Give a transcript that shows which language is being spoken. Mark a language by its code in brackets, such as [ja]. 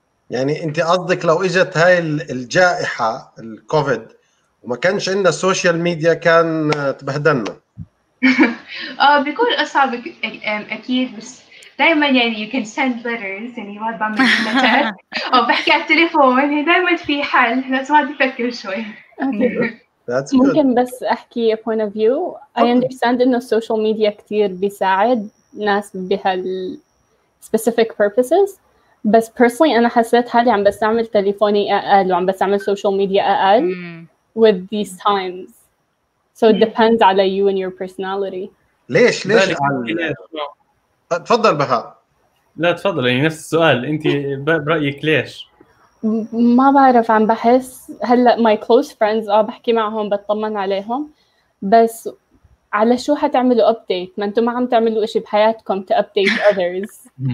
[ar] يعني انت قصدك لو اجت هاي الجائحه الكوفيد وما كانش عندنا سوشيال ميديا كان تبهدلنا. بيكون اصعب اكيد، بس دائما يعني [en] you can send letters [ar] يعني ما بعمل او بحكي على التليفون، هي دائما في حل، بس ما بفكر شوي. ممكن بس احكي [en] a point of view. I understand [ar] انه السوشيال ميديا كثير بيساعد ناس بهال [en] specific purposes، [ar] بس personally انا حسيت حالي عم بستعمل تليفوني اقل وعم بستعمل سوشيال ميديا اقل [en] with these times. So it depends [ar] على [en] you and your personality. [ar] ليش ليش تفضل بها. لا تفضل، يعني نفس السؤال انت برايك ليش؟ ما بعرف، عم بحس هلا [en] my close friends [ar] بحكي معهم بطمن عليهم، بس على شو حتعملوا update؟ ما انتم ما عم تعملوا اشي بحياتكم [en] to update others.